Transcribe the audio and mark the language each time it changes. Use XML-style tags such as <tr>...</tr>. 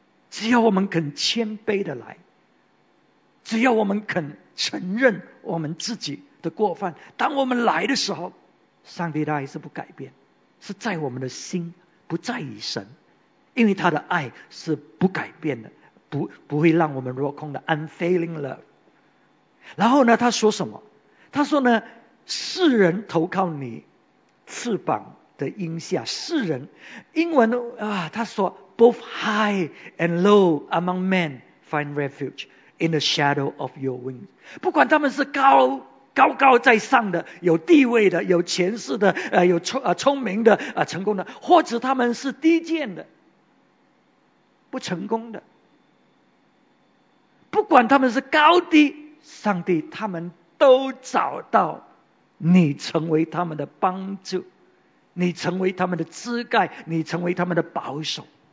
<zh>只要我们肯谦卑的来，只要我们肯承认我们自己的过犯，当我们来的时候，上帝的爱是不改变，是在我们的心，不在于神，因为他的爱是不改变的，不会让我们落空的</zh> <en>unfailing love。</en> <zh>然后呢，他说什么？他说呢，世人投靠你翅膀的荫下。世人英文啊，他说</zh> <en>both high and low among men find refuge in the shadow of your wings。</en> <zh>不管他们是高高在上的，有地位的，有权势的，有聪明的，成功的，或者他们是低贱的，不成功的，不管他们是高低，上帝，他们都找到你成为他们的帮助，你成为他们的支盖，你成为他们的保守。</zh>